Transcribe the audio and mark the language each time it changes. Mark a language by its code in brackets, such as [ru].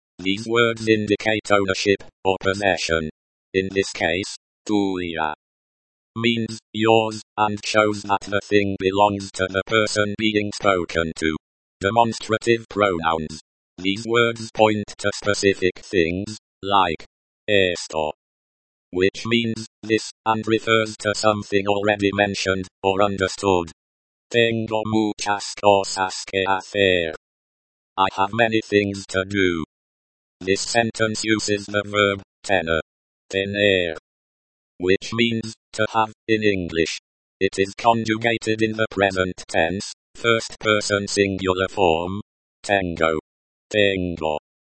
[en] These words indicate ownership, or possession. In this case, tuya means yours, and shows that the thing belongs to the person being spoken to. Demonstrative pronouns. These words point to specific things, like esto, which means this, and refers to something already mentioned or understood. [es] Tengo muchas cosas que hacer. [en] I have many things to do. This sentence uses the verb tener. Tener. Which means to have in English. It is conjugated in the present tense, first person singular form. Tengo. Tengo.